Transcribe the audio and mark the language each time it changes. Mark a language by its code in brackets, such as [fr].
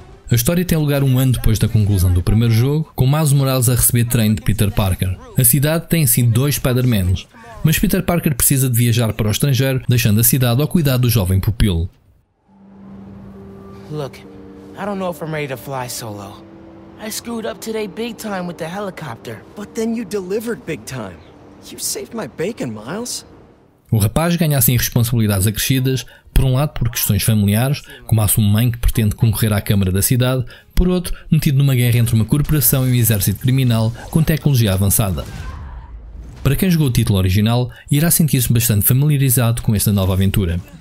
[pt] A história tem lugar um ano depois da conclusão do primeiro jogo, com Miles Morales a receber treino de Peter Parker. A cidade tem assim dois Spider-Mans. Mas Peter Parker precisa de viajar para o estrangeiro, deixando a cidade ao cuidado do jovem pupilo. [en] Look, I don't know if I'm ready to fly solo. I screwed up today big time with the helicopter. But then you delivered big time. You saved my bacon, Miles. [pt] O rapaz ganha assim responsabilidades acrescidas, por um lado por questões familiares, como a sua mãe que pretende concorrer à câmara da cidade, por outro, metido numa guerra entre uma corporação e um exército criminal com tecnologia avançada. Para quem jogou o título original, irá sentir-se bastante familiarizado com esta nova aventura.